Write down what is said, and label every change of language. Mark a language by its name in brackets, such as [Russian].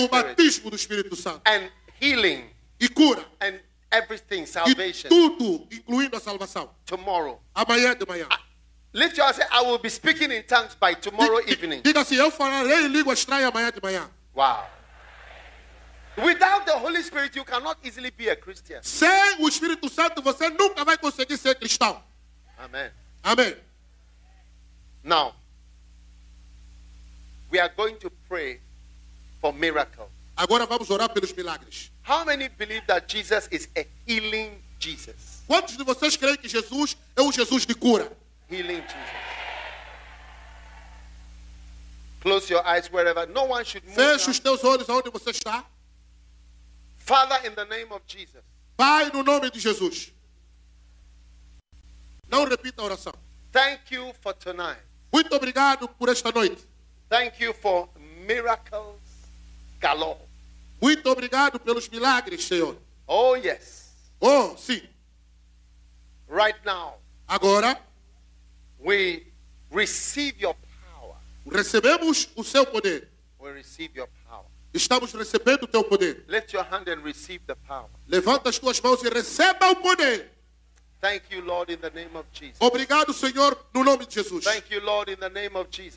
[Portuguese] Spirit, e o batismo do Espírito Santo, [English] and healing, [Portuguese] e cura, [English] and everything, salvation, [Portuguese] e tudo, incluindo a salvação. [English] Tomorrow, [Portuguese] amanhã de manhã. [English] Lift your hands. I will be speaking in tongues by tomorrow evening. [Portuguese] Diga assim, eu falarei em língua estranha amanhã de manhã. [English] Wow. Without the Holy Spirit, you cannot easily be a Christian. [Portuguese] Sem o Espírito Santo, você nunca vai conseguir ser cristão. Amen. Amen. [English] Now, we are going to pray for miracles. [Portuguese] Agora vamos orar pelos milagres. [English] How many believe that Jesus is a healing Jesus? [Portuguese] Quantos de vocês creem que Jesus é um Jesus de cura? [English] Healing Jesus. Close your eyes wherever. No one should move. [Portuguese] Feche os teus olhos aonde você está. [English] Father, in the name of Jesus. [Portuguese] Pai, no nome de Jesus. Não repita a oração. [English] Thank you for tonight. [Portuguese] Muito obrigado por esta noite. [English] Thank you for miracles galore. [Portuguese] Muito obrigado pelos milagres, Senhor. [English] Oh, yes. [Portuguese] Oh, sim. [English] Right now. [Portuguese] Agora. [English] We receive your power. [Portuguese] Recebemos o seu poder. [English] We receive your power. [Portuguese] Estamos recebendo o teu poder. [English] Lift your hand and receive the power. [Portuguese] Levanta as tuas mãos e receba o poder. [English] Thank you, Lord, in the name of Jesus. [Portuguese] Obrigado, Senhor, no nome de Jesus. [English] Thank you, Lord, in the name of Jesus.